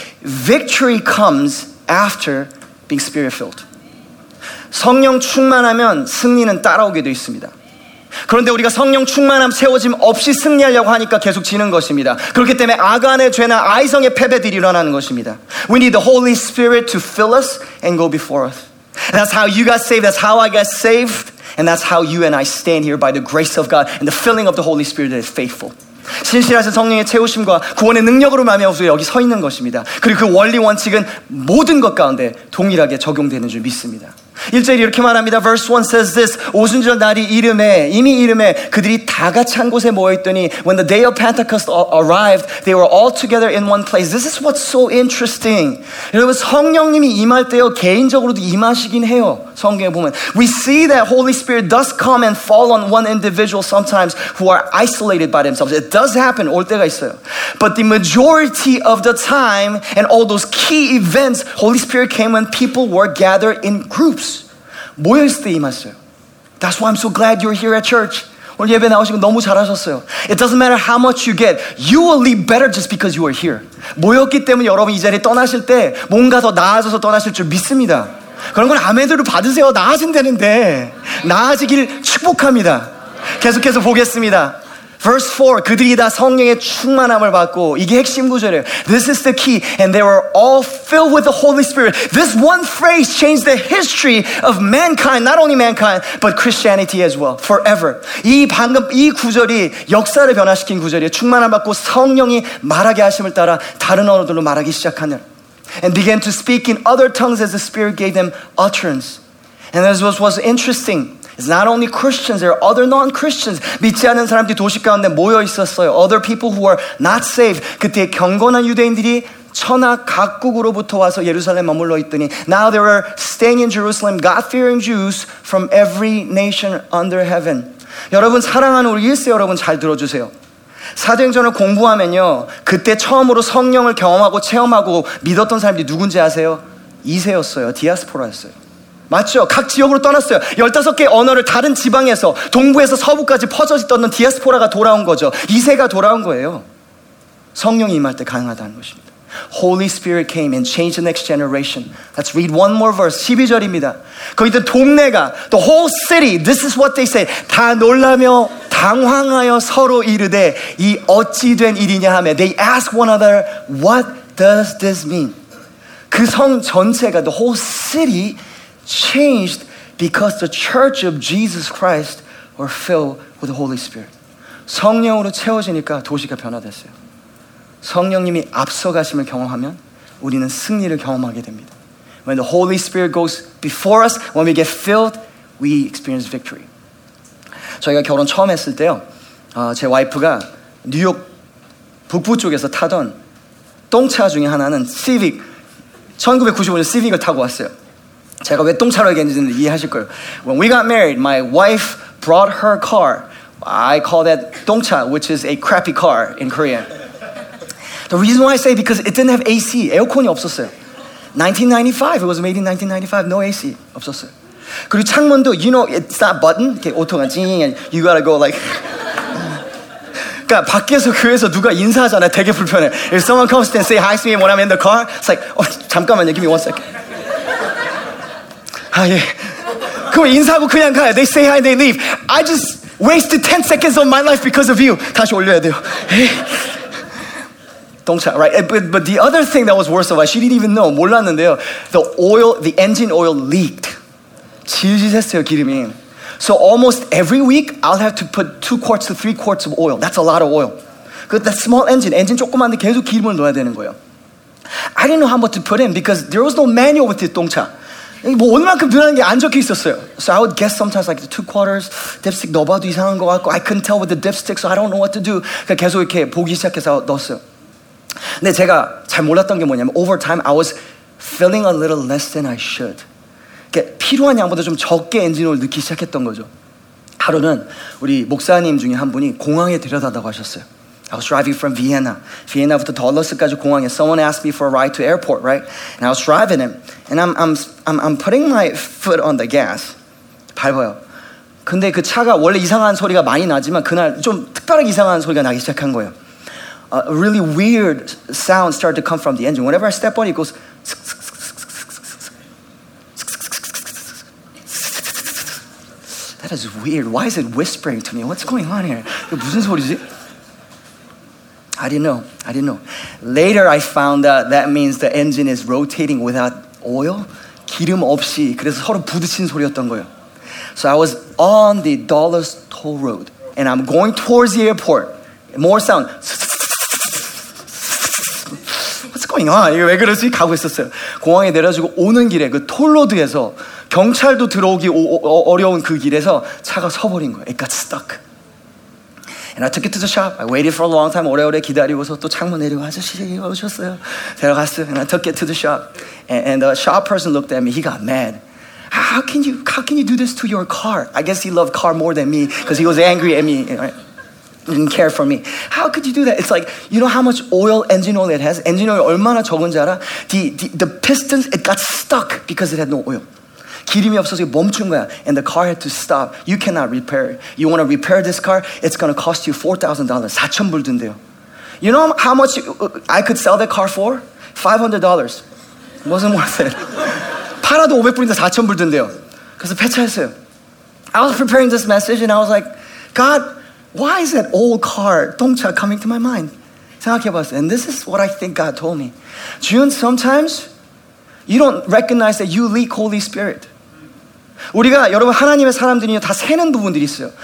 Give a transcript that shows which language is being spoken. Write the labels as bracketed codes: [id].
[en] Victory comes after being spirit-filled. [ko] 성령 충만하면 승리는 따라오게 되어 있습니다. 그런데 우리가 성령 충만함 채워짐 없이 승리하려고 하니까 계속 지는 것입니다. 그렇기 때문에 아간의 죄나 아이성의 패배들이 일어나는 것입니다. [en] We need the Holy Spirit to fill us and go before us. And that's how you got saved, that's how I got saved, and that's how you and I stand here by the grace of God and the filling of the Holy Spirit that is faithful. [ko] 신실하신 성령의 채우심과 구원의 능력으로 말미암아 여기 서 있는 것입니다. 그리고 그 원리 원칙은 모든 것 가운데 동일하게 적용되는 줄 믿습니다. 1절이 이렇게 말합니다. [en] Verse 1 says this. [ko] 오순절 날이 이름에, 이미 이름에 그들이 다 같이 한 곳에 모여있더니 [en] when the day of Pentecost arrived, they were all together in one place. This is what's so interesting. [ko] 여러분, 성령님이 임할 때요, 개인적으로도 임하시긴 해요. 성경에 보면. [en] We see that Holy Spirit does come and fall on one individual sometimes who are isolated by themselves. It does happen. [ko] 올 때가 있어요. [en] But the majority of the time and all those key events, Holy Spirit came when people were gathered in groups. [ko] 모여있을 때 임하셨어요. [en] That's why I'm so glad you're here at church. [ko] 오늘 예배 나오신 거 너무 잘하셨어요. [en] It doesn't matter how much you get. You will leave better just because you are here. [ko] 모였기 때문에 여러분 이 자리에 떠나실 때 뭔가 더 나아져서 떠나실 줄 믿습니다. 그런 건 아멘으로 받으세요. 나아진다는데 나아지길 축복합니다. 계속해서 보겠습니다. Verse 4, 그들이 다 성령의 충만함을 받고, 이게 핵심 구절이에요. [en] This is the key, and they were all filled with the Holy Spirit. This one phrase changed the history of mankind, not only mankind, but Christianity as well, forever. [ko] 이 구절이 역사를 변화시킨 구절이에요. 충만함 받고 성령이 말하게 하심을 따라 다른 언어들로 말하기 시작하는. [en] And began to speak in other tongues as the Spirit gave them utterance. And this was interesting. It's not only Christians, there are other non-Christians. [ko] 믿지 않는 사람들이 도시 가운데 모여 있었어요. [en] Other people who were not saved. [ko] 그때 경건한 유대인들이 천하 각국으로부터 와서 예루살렘에 머물러 있더니 [en] Now there are staying in Jerusalem, God-fearing Jews from every nation under heaven. [ko] 여러분, 사랑하는 우리 일세 여러분 잘 들어주세요. 사도행전을 공부하면요. 그때 처음으로 성령을 경험하고 체험하고 믿었던 사람들이 누군지 아세요? 이세였어요. 디아스포라였어요. 맞죠? 각 지역으로 떠났어요. 15개 언어를 다른 지방에서 동부에서 서부까지 퍼져 있던 디아스포라가 돌아온 거죠. 이세가 돌아온 거예요. 성령이 임할 때 가능하다는 것입니다. [en] Holy Spirit came and changed the next generation. Let's read one more verse. [ko] 12절입니다. 거기 있던 동네가 [en] the whole city, this is what they say. [ko] 다 놀라며 당황하여 서로 이르되 이 어찌 된 일이냐 하며 [en] they ask one another, what does this mean? [ko] 그 성 전체가 [en] the whole city changed because the church of Jesus Christ were filled with the Holy Spirit. [ko] 성령으로 채워지니까 도시가 변화됐어요. 성령님이 앞서가심을 경험하면 우리는 승리를 경험하게 됩니다. [en] When the Holy Spirit goes before us, when we get filled, we experience victory. [ko] 저희가 결혼 처음 했을 때요, 제 와이프가 뉴욕 북부 쪽에서 타던 똥차 중에 하나는 시빅, 1995년 시빅을 타고 왔어요. 제가 왜 똥차로 얘기했는지 이해하실 거예요. [en] When we got married, my wife brought her car. I call that 똥차, which is a crappy car in Korean. The reason why I say because it didn't have AC. [ko] 에어컨이 없었어요. [en] 1995, it was made in 1995. No AC, [ko] 없었어요. 그리고 창문도, [en] you know, it's that button. [ko] 이렇게 오토가 징, [en] and you gotta go like... [ko] 그러니까 밖에서 교회에서 누가 인사하잖아요. 되게 불편해. [en] If someone comes to say hi to me when I'm in the car, it's like, oh, [ko] 잠깐만요, [en] give me one second. [ko] 아, 예. 그럼 인사하고 그냥 가요. [en] They say hi, they leave. I just wasted 10 seconds of my life because of you. [ko] 다시 올려야 돼요. 동차, right? [en] But the other thing that was worse of all, she didn't even know. [ko] 몰랐는데요. [en] The oil, the engine oil leaked. [ko] 질질했어요, 기름이. [en] So almost every week, I'll have to put 2 quarts to 3 quarts of oil. That's a lot of oil. That small engine, [ko] 엔진 조그만데 계속 기름을 넣어야 되는 거예요. [en] I didn't know how much to put in because there was no manual with this 동차. [ko] 뭐 얼마만큼 넣는 게 안 적혀 있었어요. [en] So I would guess sometimes like the 2 quarters dipstick [ko] 넣어봐도 이상한 것 같고 [en] I couldn't tell with the dipstick so I don't know what to do. [ko] 그러니까 계속 이렇게 보기 시작해서 넣었어요. 근데 제가 잘 몰랐던 게 뭐냐면 [en] over time I was feeling a little less than I should. [ko] 그러니까 필요한 양보다 좀 적게 엔진오일 넣기 시작했던 거죠. 하루는 우리 목사님 중에 한 분이 공항에 데려다 달라고 하셨어요. [en] I was driving from Vienna. [ko] Vienna부터 덜러스까지 공항에 [en] someone asked me for a ride to airport, right? And I was driving him. And I'm putting my foot on the gas. [ko] 밟아요. 근데 그 차가 원래 이상한 소리가 많이 나지만 그날 좀 특별하게 이상한 소리가 나기 시작한 거예요. [en] A really weird sound started to come from the engine. Whenever I step on it, it goes... That is weird. Why is it whispering to me? What's going on here? [ko] 이거 무슨 소리지? [en] I didn't know. Later, I found out that means the engine is rotating without oil. [ko] 기름 없이. 그래서 서로 부딪힌 소리였던 거예요. [en] So I was on the Dulles toll road. And I'm going towards the airport. More sound. What's going on? [ko] 이거 왜 그러지? 가고 있었어요. 공항에 내려가지고 오는 길에 그 톨로드에서 경찰도 들어오기 어려운 그 길에서 차가 서버린 거예요. [en] It got stuck. And I took it to the shop. I waited for a long time. [ko] 오래오래 기다리고서 또 창문 내리고 아저씨 오셨어요. 데려갔어요. [en] And I took it to the shop. And the shop person looked at me. He got mad. How can you do this to your car? I guess he loved car more than me because he was angry at me. Right? Didn't care for me. How could you do that? It's like, you know how much oil, engine oil it has? Engine oil [ko] 얼마나 적은지 알아? [en] The pistons, it got stuck because it had no oil. [ko] 기름이 없어서 멈춘 거야. [en] And the car had to stop. You cannot repair it. You want to repair this car? It's going to cost you $4,000. [ko] 4,000불 든대요. [en] You know how much I could sell that car for? $500. It wasn't worth it. [ko] 팔아도 500불인데 4,000불 든대요. 그래서 폐차했어요. [en] I was preparing this message and I was like, God, why is that old car 똥차 coming to my mind? [ko] 생각해봤어요. [en] And this is what I think God told me. June, sometimes you don't recognize that you leak Holy Spirit. [ko] 우리가 여러분 하나님의 사람들이요 다 새는 부분들이 있어요.